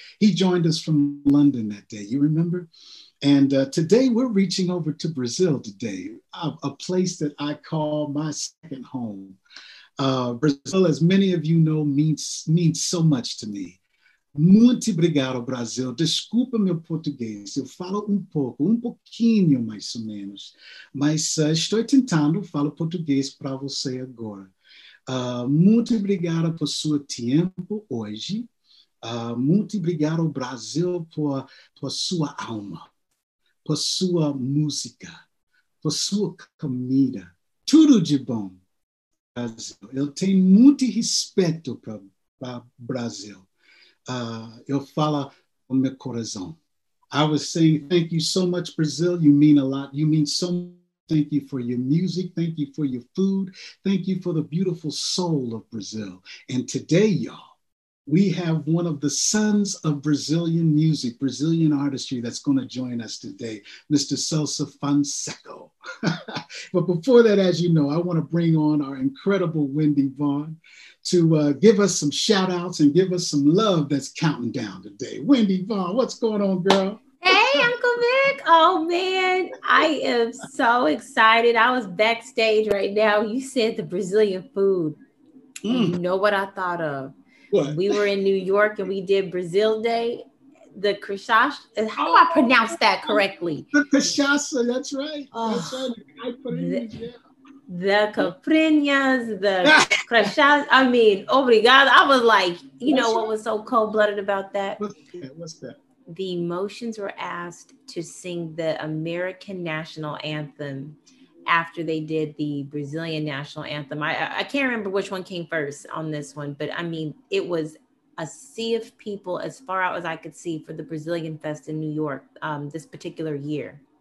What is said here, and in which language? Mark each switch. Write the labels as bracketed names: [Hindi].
[English] He joined us from London that day, you remember? And today we're reaching over to Brazil today, a place that I call my second home. Brazil, as many of you know, means so much to me. [Portuguese] Muito obrigado, Brasil. Desculpa meu português. Eu falo um pouquinho mais ou menos. Mas estou tentando falar português para você agora. Muito obrigado por seu tempo hoje. Muito obrigado, Brasil, por sua alma, por sua música, por sua comida. Tudo de bom, Brasil. Eu tenho muito respeito para o Brasil. Eu falo com meu coração. [English] I was saying thank you so much, Brazil. You mean a lot. You mean so much. Thank you for your music. Thank you for your food. Thank you for the beautiful soul of Brazil. And today, y'all, we have one of the sons of Brazilian music, Brazilian artistry, that's going to join us today, Mr. Celso Fonseca. But before that, as you know, I want to bring on our incredible Wendy Vaughn to give us some shout outs and give us some love that's counting down today. Wendy Vaughn, what's going on, girl? Hey, Uncle Vic. Oh, man, I am so excited. I was backstage right now. You said the Brazilian food. Mm. You know what I thought of. What? We were in New York and we did Brazil Day. The cachaça, how do I pronounce that correctly? The cachaça, that's right. That's right. The caprinhas, the cachaça. I mean, obrigado. I was like, what was so cold-blooded about that? What's that? The Emotions were asked to sing the American national anthem after they did the Brazilian national anthem. I can't remember which one came first on this one, but I mean, it was a sea of people as far out as I could see for the Brazilian Fest in New York this particular year.